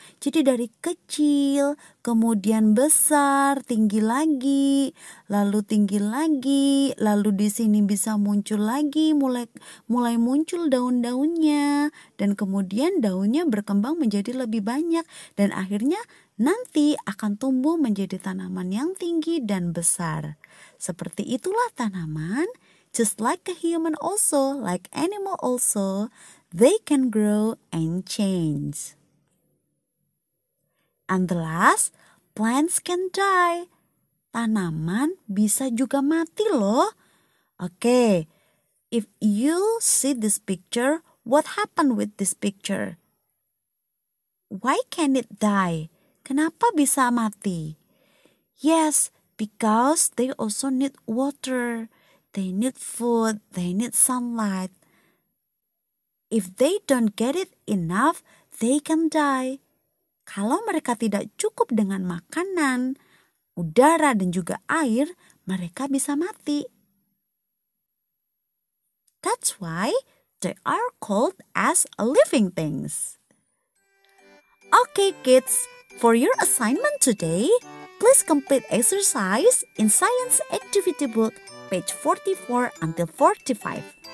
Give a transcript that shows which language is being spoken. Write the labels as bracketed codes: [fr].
[id] Jadi dari kecil, kemudian besar, tinggi lagi, lalu di sini bisa muncul lagi, mulai muncul daun-daunnya, dan kemudian daunnya berkembang menjadi lebih banyak, dan akhirnya nanti akan tumbuh menjadi tanaman yang tinggi dan besar. [en] Seperti itulah tanaman, just like a human also, like animal also, they can grow and change. And the last, plants can die. [id] Tanaman bisa juga mati loh. [en] Okay, if you see this picture, what happened with this picture? Why can it die? Kenapa bisa mati? Yes, because they also need water, they need food, they need sunlight. If they don't get it enough, they can die. [id] Kalau mereka tidak cukup dengan makanan, udara, dan juga air, mereka bisa mati. [en] That's why they are called as living things. Okay, kids. For your assignment today, please complete exercise in Science Activity Book, page 44 until 45.